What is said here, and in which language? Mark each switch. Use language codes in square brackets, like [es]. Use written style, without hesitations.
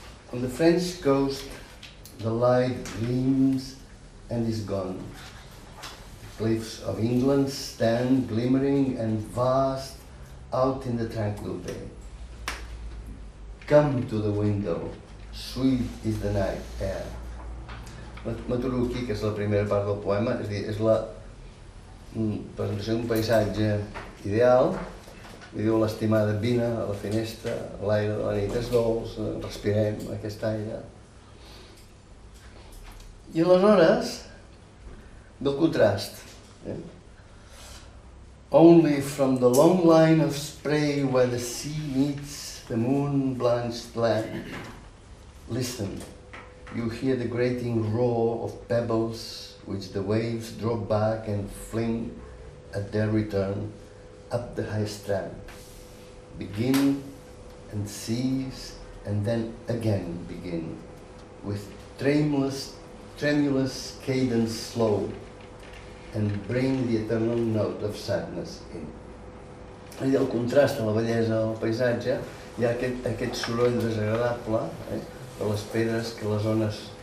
[en] On the French coast, the light gleams and is gone. Cliffs of England stand glimmering and vast out in the tranquil bay. Come to the window, sweet is the night air. [ca] M'aturo aquí, que és la primera part del poema, és a dir, és la presentació d'un paisatge ideal. Li diu l'estimada: vine a la finestra, l'aire de la nit és dolç, respirem aquest aire. I aleshores, del contrast. [en] Only from the long line of spray where the sea meets the moon blanched land, listen, you hear the grating roar of pebbles which the waves drop back and fling at their return up the high strand, begin and cease and then again begin with tremulous cadence slow, and bring the eternal note of sadness in. [ca] I el contrast a la bellesa del paisatge, hi ha aquest soroll desagradable, per les pedres que les ones